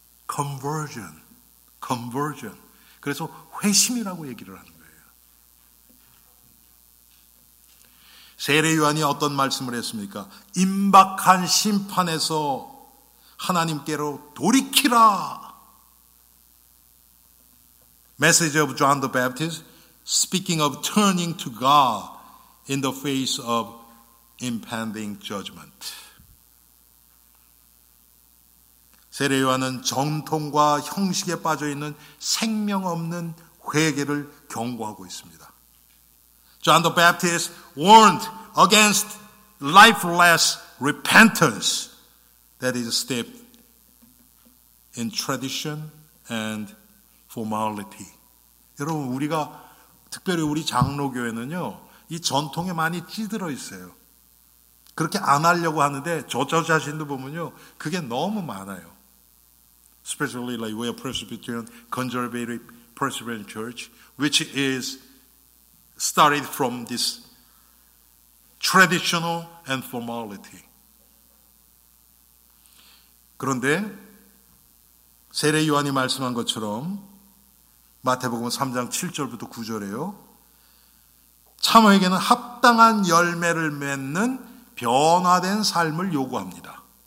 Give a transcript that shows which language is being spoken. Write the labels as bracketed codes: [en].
[en] Conversion. [ko] 그래서 회심이라고 얘기를 하는 거예요. 세례 요한이 어떤 말씀을 했습니까? 임박한 심판에서 하나님께로 돌이키라. [en] Message of John the Baptist, speaking of turning to God in the face of impending judgment. [ko] 세례요한은 정통과 형식에 빠져있는 생명 없는 회개를 경고하고 있습니다. [en] John the Baptist warned against lifeless repentance that is steeped in tradition and formality. [ko] 여러분 우리가 특별히 우리 장로교회는요 이 전통에 많이 찌들어 있어요. 그렇게 안 하려고 하는데 저 자신도 보면요 그게 너무 많아요. [en] Especially like we are Presbyterian, conservative Presbyterian church, which is started from this traditional and formality. [ko] 그런데 세례 요한이 말씀한 것처럼 마태복음 3장 7절부터 9절에요. 참 회개는 합당한 열매를 맺는 변화된 삶을 요구합니다.